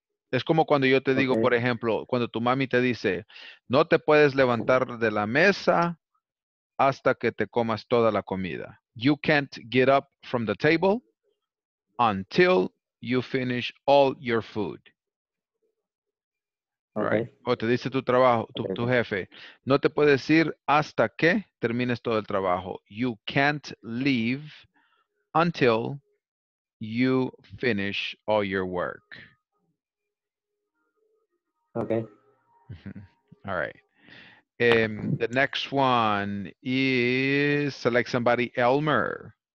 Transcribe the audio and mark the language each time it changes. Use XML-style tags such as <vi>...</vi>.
<es>Es como cuando yo te digo, okay, por ejemplo, cuando tu mami te dice, no te puedes levantar de la mesa hasta que te comas toda la comida.</es> <en>You can't get up from the table until you finish all your food. Okay. Right?</en> <es>O te dice tu trabajo, tu jefe, no te puedes ir hasta que termines todo el trabajo.</es> <en>You can't leave until you finish all your work. Okay. All right. The next one is select somebody, Elmer.</en>